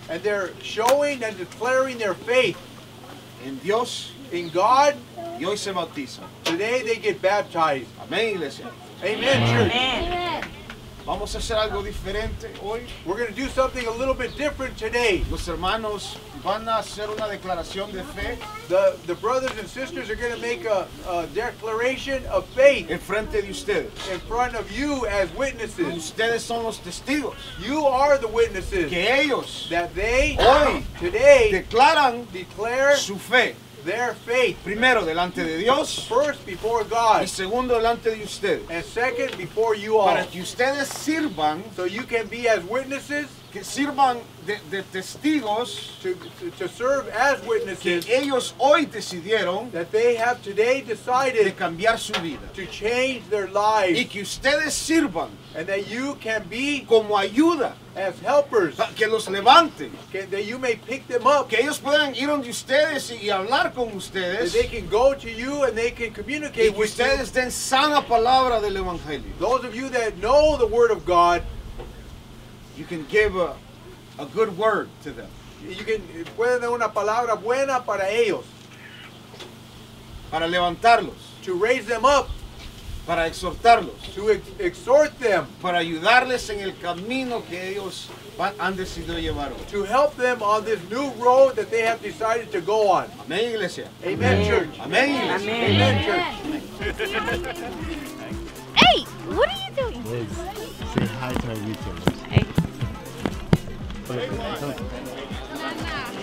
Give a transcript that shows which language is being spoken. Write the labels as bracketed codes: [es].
[en] And they're showing and declaring their faith. [es] En Dios. [en] In God. [es] Y hoy se bautizan. [en] Today they get baptized. [es] Amén, iglesia. [en] Amen, church. Amen. [es] Vamos a hacer algo diferente hoy. [en] We're going to do something a little bit different today. [es] Los hermanos van a hacer una declaración de fe. [en] The brothers and sisters are going to make a declaration of faith. [es] En frente de ustedes. [en] In front of you as witnesses. [es] Ustedes son los testigos. [en] You are the witnesses. [es] Que ellos. [en] That they. [es] Hoy. [en] Today. [es] Declaran. [en] Declare. [es] Su fe. [en] Their faith. [es] Primero delante de Dios. [en] First before God. [es] Y segundo delante de ustedes. [en] And second before you all. [es] Para que ustedes sirvan. [en] So you can be as witnesses. [es] que sirvan de testigos [en] to serve as witnesses, [es] que ellos hoy decidieron [en] that they have today decided [es] de cambiar su vida, [en] to change their lives, [es] y que ustedes sirvan, [en] and that you can be [es] como ayuda, [en] as helpers, [es] que los levanten, [en] que, that you may pick them up, [es] que ellos puedan ir donde ustedes y hablar con ustedes, [en] that they can go to you and they can communicate with you, [es] y que ustedes den sana palabra del evangelio. [en] Those of you that know the word of God, you can give a good word to them. You can [es] puede dar una palabra buena para ellos, para levantarlos, [en] to raise them up, [es] para exhortarlos, [en] to exhort them, [es] para ayudarles en el camino que ellos han decidido llevar hoy, [en] to help them on this new road that they have decided to go on. [es] Amén, iglesia. [en] Amen, amen, church. [es] Amen, iglesia. [en] Amen, amen, church. Hey, what are you doing? Liz, say hi to our YouTubers. Hey.